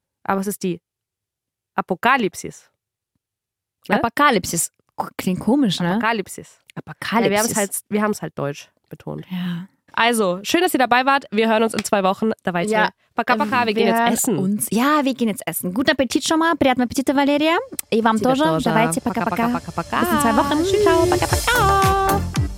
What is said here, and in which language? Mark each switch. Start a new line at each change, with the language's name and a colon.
German: Aber es ist die Apokalypsis. Ne? Apokalypsis. Klingt komisch, ne? Apokalypsis. Apokalypsis. Ja, wir haben es halt deutsch betont. Ja. Also, schön, dass ihr dabei wart. Wir hören uns in 2 Wochen. Da weiß ich. Paka, paka, wir gehen jetzt essen. Wir gehen jetzt essen. Guten Appetit schon mal.
Russian: Приятного аппетита, Валерия. И вам тоже. Давайте, пока-пока. Пока-пока.
German: Bis in 2 Wochen. Ciao.
Russian: Пока-пока.